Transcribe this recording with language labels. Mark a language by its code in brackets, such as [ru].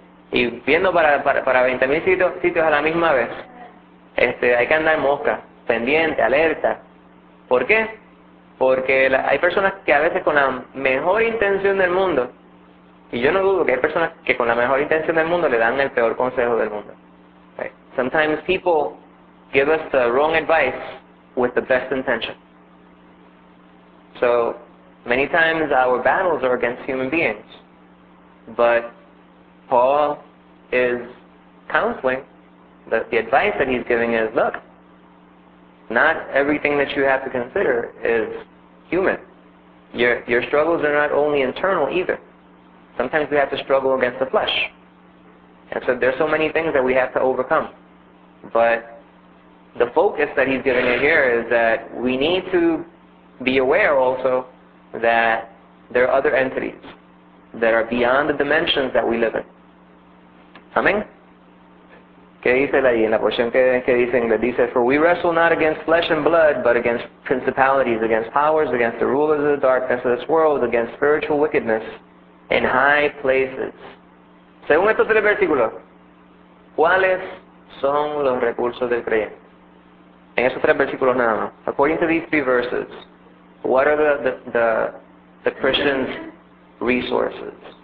[es] Y viendo para 20.000 sitios a la misma vez, hay que andar mosca, pendiente, alerta. ¿Por qué? Porque hay personas que a veces con la mejor intención del mundo, y yo no dudo que hay personas que con la mejor intención del mundo le dan el peor consejo del mundo. [en] Right? Sometimes people give us the wrong advice with the best intention. So, many times our battles are against human beings. But Paul is counseling, the advice that he's giving is, look, not everything that you have to consider is human. Your struggles are not only internal either. Sometimes we have to struggle against the flesh. And so there's so many things that we have to overcome. But the focus that he's giving it here is that we need to be aware also that there are other entities that are beyond the dimensions that we live in. Amen. [es] ¿Qué dice ahí en la porción que dicen? Le dice, [en] for we wrestle not against flesh and blood, but against principalities, against powers, against the rulers of the darkness of this world, against spiritual wickedness in high places. [es] Según estos tres versículos, ¿cuáles son los recursos del creyente? En esos tres versículos nada más. [en] According to these three verses, what are the Christian's resources?